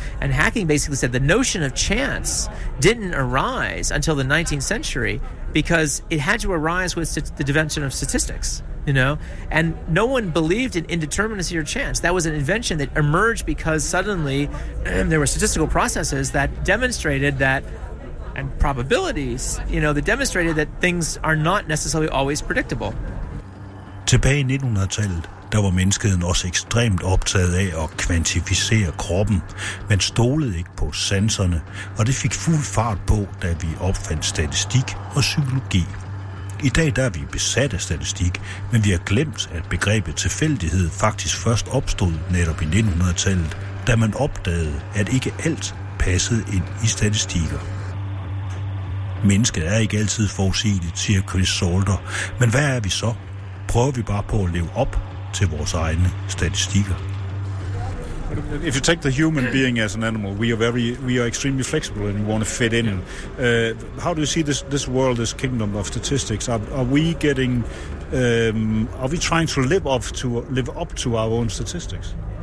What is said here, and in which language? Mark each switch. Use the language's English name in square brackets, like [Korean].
[English] And Hacking basically said the notion of chance didn't arise until the 19th century, because it had to arise with the invention of statistics. You know, and no one believed in indeterminacy or chance. That was an invention that emerged because suddenly there were statistical processes that demonstrated that, and probabilities, you know, that demonstrated that things are not necessarily always predictable. [Danish] Tilbage i 1900-tallet, der var menneskeheden også ekstremt optaget af at kvantificere kroppen, men stolede ikke på sanserne, og det fik fuld fart på, da vi opfandt statistik og psykologi. I dag der er vi besat af statistik, men vi har glemt, at begrebet tilfældighed faktisk først opstod netop i 1900-tallet, da man opdagede, at ikke alt passede ind i statistikker. Mennesket er ikke altid forudsigeligt, siger Chris Salter, men hvad er vi så? Prøver vi bare på at leve op til vores egne statistikker? [English] If you take the human being as an animal, we are extremely flexible and we want to fit in. How do you see this world, this kingdom of statistics? Are we trying to live up to our own statistics?